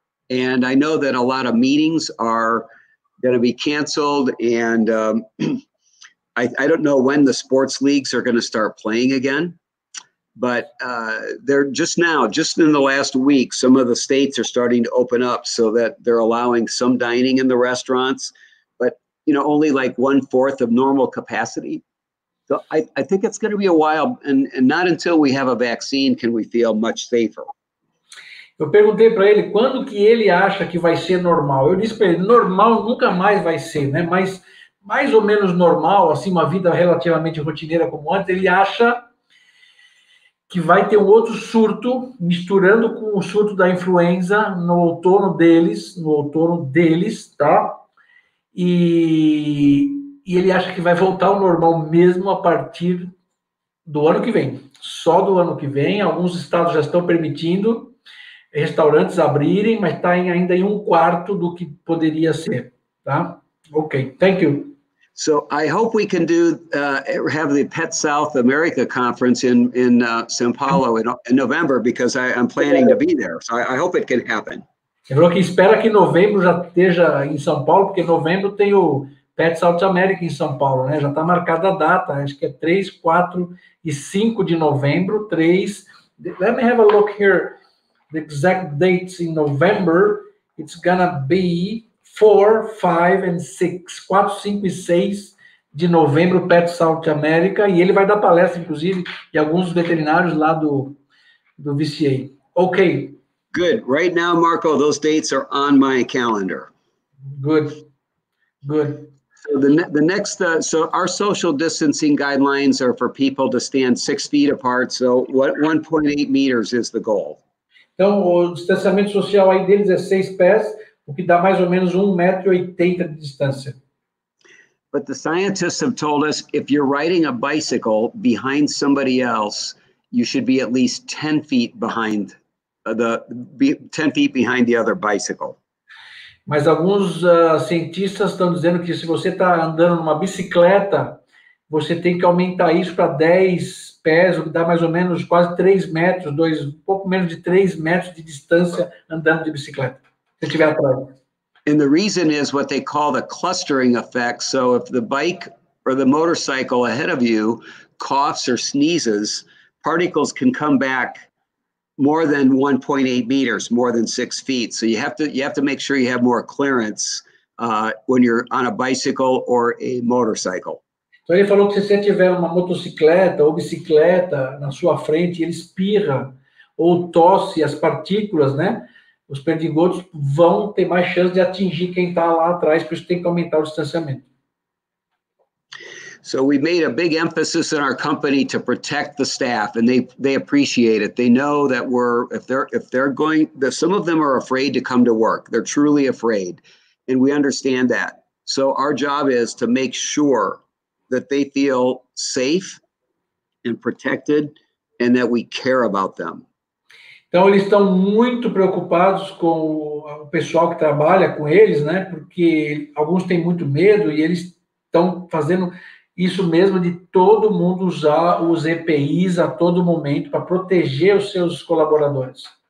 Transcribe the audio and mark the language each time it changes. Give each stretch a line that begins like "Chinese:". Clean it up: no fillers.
English: And I know that a lot of meetings are going to be canceled, and I don't know when the sports leagues are going to start playing again, but they're just in the last week, some of the states are starting to open up so that they're allowing some dining in the restaurants, but, you know, only like 1/4 of normal capacity. So I think it's going to be a while, and not until we have a vaccine can we feel much safer.
Portuguese: Eu perguntei para ele quando que ele acha que vai ser normal. Eu disse para ele, normal nunca mais vai ser, né? Mas mais ou menos normal, assim, uma vida relativamente rotineira como antes, ele acha que vai ter um outro surto, misturando com o surto da influenza, no outono deles, tá? E ele acha que vai voltar ao normal mesmo a partir do ano que vem. Só do ano que vem, alguns estados já estão permitindo restaurantes abrirem, mas está ainda em um quarto do que poderia ser, tá?
English: Ok, thank you. So I hope we can do have the Pet South America conference in São Paulo in November, because I'm planning to be there. So I hope it can happen.
Portuguese: Ele falou que espera que novembro já esteja em São Paulo, porque novembro tem o Pet South America em São Paulo, né? Já está marcada a data, acho que é 3, 4 e 5 de novembro, 3.
English: Let me have a look here. The exact dates in November, it's gonna be 4, 5 and 6.
Portuguese: 4, 5 e 6 de novembro, Pet South America. E ele vai dar palestra, inclusive, e alguns veterinários lá do VCA.
English: Ok. Good. Right now, Marco, those dates are on my calendar. Good. So the next, our social distancing guidelines are for people to stand 6 feet apart. So what 1.8 meters is the goal?
Portuguese: Então, o distanciamento social aí deles é 6 pés, o que dá mais ou menos 1,80 m de distância.
English: But the scientists have told us, if you're riding a bicycle behind somebody else, you should be at least 10 feet behind the other bicycle.
Portuguese: Mas alguns cientistas estão dizendo que se você está andando numa bicicleta, você tem que aumentar isso para 10 pés, o que dá mais ou menos quase 3 metros, um pouco menos de 3 metros de distância andando de bicicleta, se estiver atrás.
English: And the reason is what they call the clustering effect. So if the bike or the motorcycle ahead of you coughs or sneezes, particles can come back more than 1.8 meters, more than 6 feet. So you have to make sure you have more clearance when you're on a bicycle or a motorcycle.
Portuguese: Então ele falou que se você tiver uma motocicleta ou bicicleta na sua frente, ele espirra ou tosse as partículas, né? Os perdigotos vão ter mais chance de atingir quem está lá atrás, por isso tem que aumentar o distanciamento.
English: So we made a big emphasis in our company to protect the staff, and they appreciate it. They know that some of them are afraid to come to work. They're truly afraid, and we understand that. So our job is to make sure that they feel safe and protected, and that we care about them.
Portuguese: Então eles estão muito preocupados com o pessoal que trabalha com eles, né? Porque alguns têm muito medo e eles estão fazendo isso mesmo de todo mundo usar os EPIs a todo momento para proteger os seus colaboradores.